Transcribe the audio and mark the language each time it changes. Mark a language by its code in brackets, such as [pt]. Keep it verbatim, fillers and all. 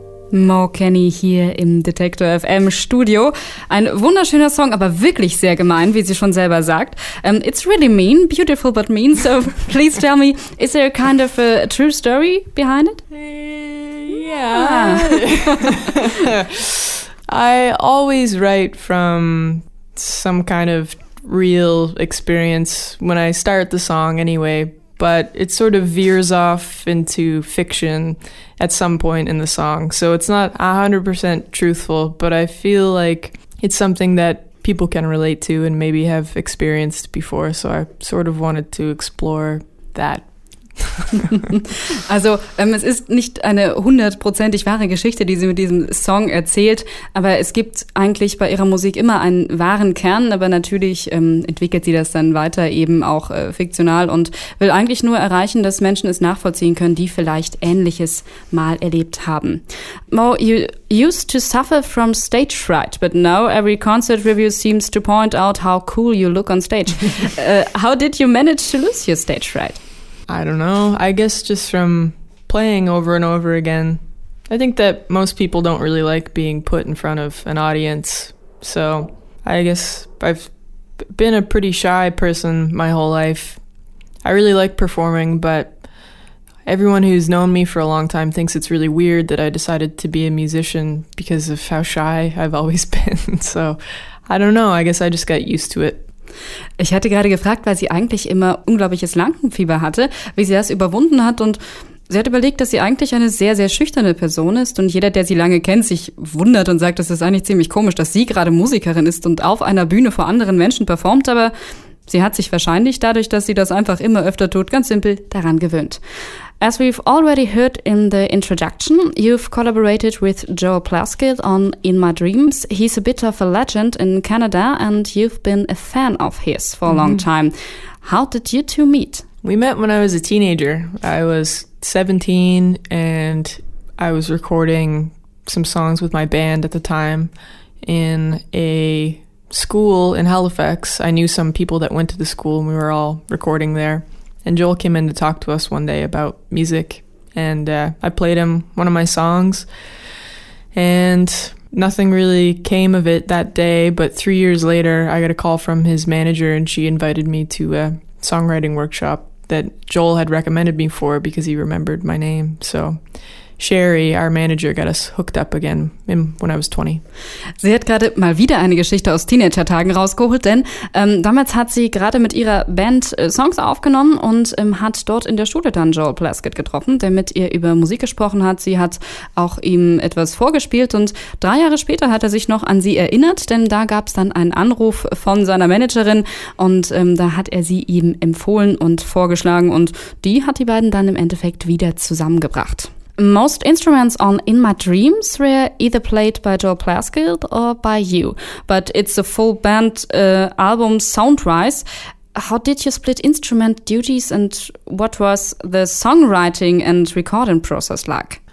[de] Mo Kenny hier im Detektor F M Studio. Ein wunderschöner Song, aber wirklich sehr gemein, wie sie schon selber sagt. [en] Um, it's really mean, beautiful but mean. So please tell me, is there a kind of a true story behind it? Yeah. I always write from some kind of real experience when I start the song anyway, but it sort of veers off into fiction at some point in the song. So it's not one hundred percent truthful, but I feel like it's something that people can relate to and maybe have experienced before. So I sort of wanted to explore that. [de] Also ähm, es ist nicht eine hundertprozentig wahre Geschichte, die sie mit diesem Song erzählt, aber es gibt eigentlich bei ihrer Musik immer einen wahren Kern, aber natürlich ähm, entwickelt sie das dann weiter eben auch äh, fiktional und will eigentlich nur erreichen, dass Menschen es nachvollziehen können, die vielleicht Ähnliches mal erlebt haben. [en] Mo, you used to suffer from stage fright, but now every concert review seems to point out how cool you look on stage. uh, how did you manage to lose your stage fright? I don't know. I guess just from playing over and over again. I think that most people don't really like being put in front of an audience. So I guess I've been a pretty shy person my whole life. I really like performing, but everyone who's known me for a long time thinks it's really weird that I decided to be a musician because of how shy I've always been. So I don't know. I guess I just got used to it. [de] Ich hatte gerade gefragt, weil sie eigentlich immer unglaubliches Lampenfieber hatte, wie sie das überwunden hat, und sie hat überlegt, dass sie eigentlich eine sehr, sehr schüchterne Person ist und jeder, der sie lange kennt, sich wundert und sagt, das ist eigentlich ziemlich komisch, dass sie gerade Musikerin ist und auf einer Bühne vor anderen Menschen performt, aber sie hat sich wahrscheinlich dadurch, dass sie das einfach immer öfter tut, ganz simpel daran gewöhnt. [en] As we've already heard in the introduction, you've collaborated with Joe Plaskett on In My Dreams. He's a bit of a legend in Canada, and you've been a fan of his for a long time. How did you two meet? We met when I was a teenager. I was seventeen, and I was recording some songs with my band at the time in a school in Halifax. I knew some people that went to the school, and we were all recording there. And Joel came in to talk to us one day about music, and uh, I played him one of my songs, and nothing really came of it that day, but three years later I got a call from his manager, and she invited me to a songwriting workshop that Joel had recommended me for because he remembered my name. So Sherry, our manager, got us hooked up again when I was twenty. [de] Sie hat gerade mal wieder eine Geschichte aus Teenager-Tagen rausgeholt, denn ähm, damals hat sie gerade mit ihrer Band äh, Songs aufgenommen und ähm, hat dort in der Schule dann Joel Plaskett getroffen, der mit ihr über Musik gesprochen hat. Sie hat auch ihm etwas vorgespielt, und drei Jahre später hat er sich noch an sie erinnert, denn da gab es dann einen Anruf von seiner Managerin, und ähm, da hat er sie ihm empfohlen und vorgeschlagen, und die hat die beiden dann im Endeffekt wieder zusammengebracht. [en] Most instruments on In My Dreams were either played by Joe Plaskett or by you, but it's a full band uh, album sound-wise. How did you split instrument duties, and what was the songwriting and recording process like?